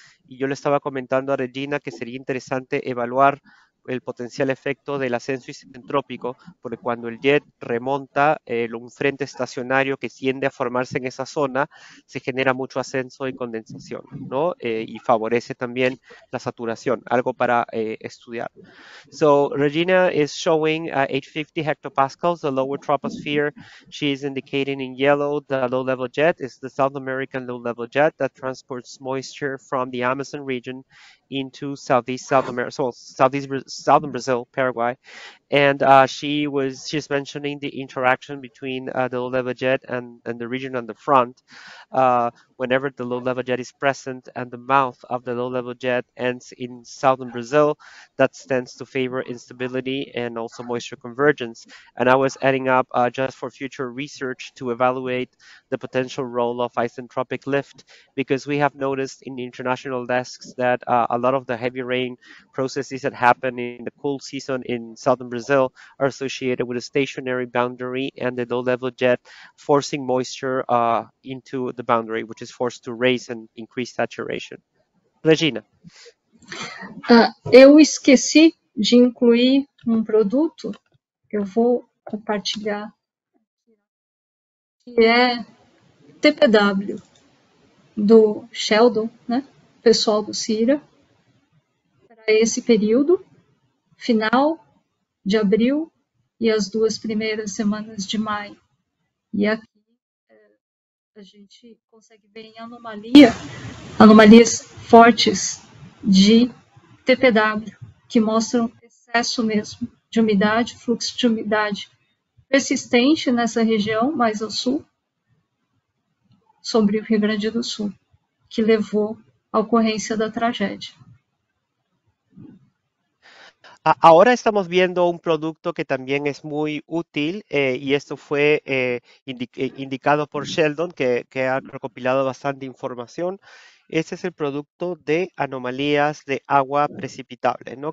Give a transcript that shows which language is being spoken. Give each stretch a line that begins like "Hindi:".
Spanish: Y yo le estaba comentando a Regina que sería interesante evaluar el potencial efecto del ascenso isentrópico, porque cuando el jet remonta un frente estacionario que tiende a formarse en esa zona, se genera mucho ascenso y condensación, ¿no? Y favorece también la saturación, algo para estudiar.
English: So, Regina is showing 850 hectopascals, the lower troposphere. She is indicating in yellow the low-level jet. It's the South American low-level jet that transports moisture from the Amazon region into Southeast South America, so Southeast Brazil. Southern Brazil, Paraguay, and she's mentioning the interaction between the low-level jet and the region on the front. Whenever the low-level jet is present and the mouth of the low-level jet ends in southern Brazil, that tends to favor instability and also moisture convergence. And I was adding up just for future research to evaluate the potential role of isentropic lift, because we have noticed in the international desks that a lot of the heavy rain processes that happen in the cool season in southern Brazil are associated with a stationary boundary and the low-level jet forcing moisture into the boundary, which is forced to raise and increase saturation. Regina.
Portuguese: Eu esqueci de incluir um produto, eu vou compartilhar, que é TPW do Sheldon, né? Pessoal do CIRA, para esse período final de abril e as 2 primeiras semanas de maio. E aqui a gente consegue ver em anomalias fortes de TPW, que mostram excesso mesmo de umidade, fluxo de umidade persistente nessa região mais ao sul, sobre o Rio Grande do Sul, que levou à ocorrência da tragédia.
Spanish: Ahora estamos viendo un producto que también es muy útil y esto fue indicado por Sheldon, que ha recopilado bastante información. Este es el producto de anomalías de agua precipitable, ¿no?